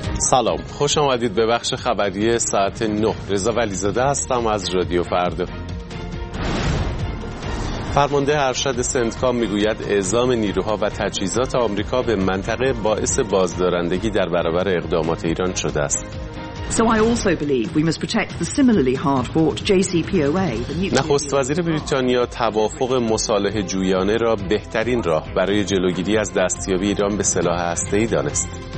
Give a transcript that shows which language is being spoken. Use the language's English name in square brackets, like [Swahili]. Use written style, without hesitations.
[Persian] سلام، خوش آمدید به بخش خبری ساعت 9. رضا ولی‌زاده هستم از رادیو فردا. فرمانده ارشد سنتکام میگوید اعزام نیروها و تجهیزات آمریکا به منطقه باعث بازدارندگی در برابر اقدامات ایران شده است. [English] So I also believe we must protect the similarly hard-fought JCPOA. [Persian] نخست وزیر بریتانیا توافق مصالحه جویانه را بهترین راه برای جلوگیری از دستیابی ایران به سلاح هسته‌ای دانست.